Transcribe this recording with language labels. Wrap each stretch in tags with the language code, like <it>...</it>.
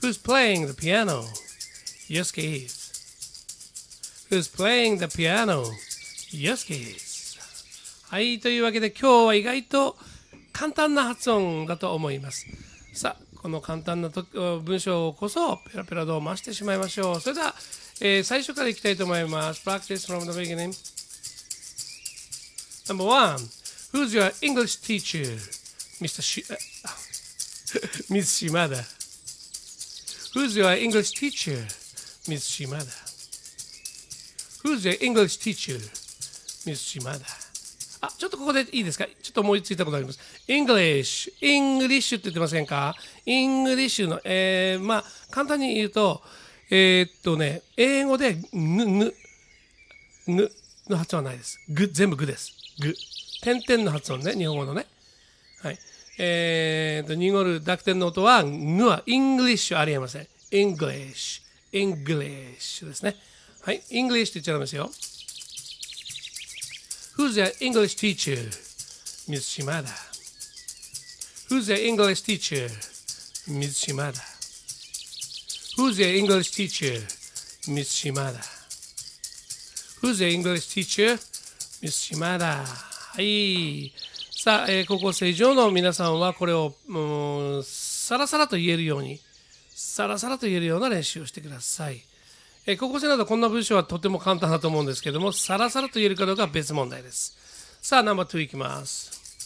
<en>Who's playing the piano? Yosuke is. Who's playing the piano?</en> <ja>よしけです。はい、というわけで今日は意外と簡単な発音だと思います。さあ、この簡単な文章こそペラペラ度を増してしまいましょう。それでは、最初からいきたいと思います。</ja> <en>Practice from the beginning. Number one. Who's your English teacher? Miss Shimada. Who's your English teacher? Miss Shimada. Who's your English teacher? Miss Shimada.</en> <ja>あ、ちょっとここでいいですか？ちょっと思いついたことがあります。</ja> <en>English。</en> <ja>English って言ってませんか？English の、まあ、簡単に言うと、英語で、ぬの発音はないです。ぐ、全部ぐです。ぐ。点々の発音ね、日本語のね。はい。濁る濁点の音は、ぬは、English はありえません。English。 English ですね。はい。English って言っちゃいますよ。</ja> <en>Who's your English teacher? Ms. Shimada. Who's your English teacher? Ms. Shimada. Who's your English teacher? Ms. Shimada. Who's your English teacher? Ms. Shimada. はい。</en> <ja>さあ、高校生以上の皆さんはこれを、さらさらと言えるように、さらさらと言えるような練習をしてください。高校生などこんな文章はとても簡単だと思うんですけども、さらさらと言えるかどうかは別問題です。さあ、ナンバー2いきます。</ja>